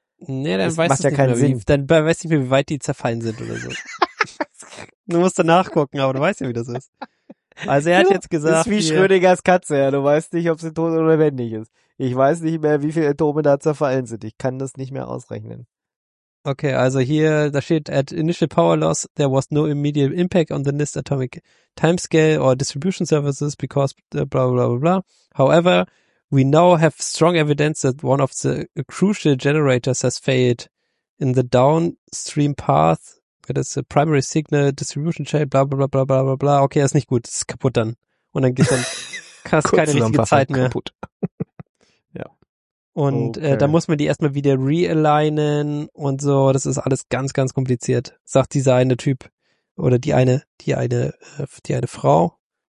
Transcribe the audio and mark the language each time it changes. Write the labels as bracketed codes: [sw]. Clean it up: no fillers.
[de] Nee, dann weiß ich nicht mehr, wie weit die zerfallen sind oder so. Du musst dann nachgucken, aber du weißt ja, wie das ist. Also er hat jetzt gesagt, ist wie Schrödingers Katze, ja. Du weißt nicht, ob sie tot oder lebendig ist. Ich weiß nicht mehr, wie viele Atome da zerfallen sind. Ich kann das nicht mehr ausrechnen. Okay, also hier, da steht, [en] at initial power loss, there was no immediate impact on the NIST atomic timescale or distribution services because blah, blah, blah, blah. However, we now have strong evidence that one of the crucial generators has failed in the downstream path. [de] Das ist Primary Signal, Distribution Chain, bla bla bla bla bla bla. Okay, das ist nicht gut, das ist kaputt dann. Und dann geht's dann, hast keine richtige Zeit mehr. Kaputt. Ja. Und okay. Da muss man die erstmal wieder realignen und so. Das ist alles ganz, ganz kompliziert, sagt dieser eine Typ. Oder die eine Frau.